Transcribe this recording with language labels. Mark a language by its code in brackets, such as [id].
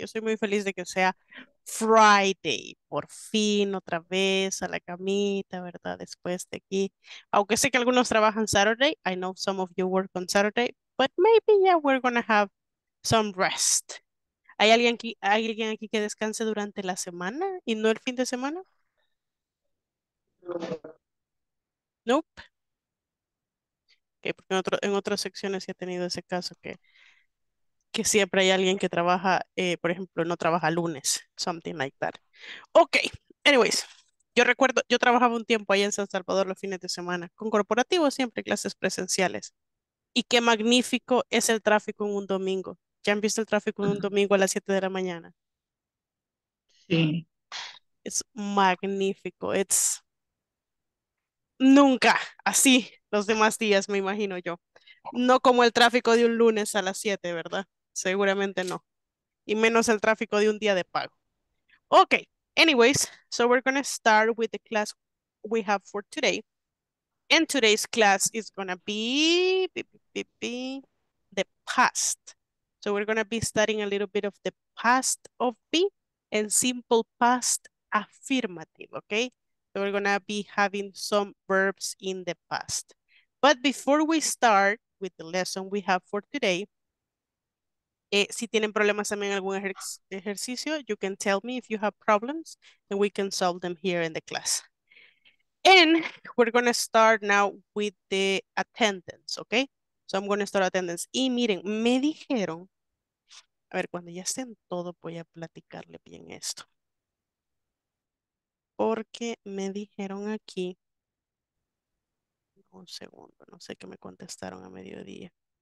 [es] Yo soy muy feliz de que sea Friday. Por fin, otra vez a la camita, ¿verdad? Después de aquí. Aunque sé que algunos trabajan Saturday. [en] I know some of you work on Saturday, but maybe yeah, we're gonna have some rest. [es] ¿Hay alguien aquí que descanse durante la semana y no el fin de semana? Nope. Okay, porque en otras secciones sí he tenido ese caso que siempre hay alguien que trabaja, por ejemplo, no trabaja lunes, [en] something like that. Ok, anyways, [es] yo trabajaba un tiempo allá en San Salvador los fines de semana, con corporativos siempre, clases presenciales. Y qué magnífico es el tráfico en un domingo. ¿Ya han visto el tráfico en un domingo a las 7 de la mañana? Sí. Es magnífico, [en] it's [es] nunca así. Los demás días, me imagino yo. No como el tráfico de un lunes a las 7, ¿verdad? Seguramente no. Y menos el tráfico de un día de pago. [en] Ok, anyways, so we're gonna start with the class we have for today. And today's class is gonna be the past. So we're gonna be studying a little bit of the past of be and simple past affirmative, ok? So we're gonna be having some verbs in the past. But before we start with the lesson we have for today, [es] si tienen problemas también en algún ejercicio, [en] you can tell me if you have problems, and we can solve them here in the class. And we're going to start now with the attendance, okay? So I'm going to start attendance. [es] Y miren, me dijeron, a ver, cuando ya estén todos, voy a platicarle bien esto. Porque me dijeron aquí. Un segundo, no sé qué me contestaron a mediodía.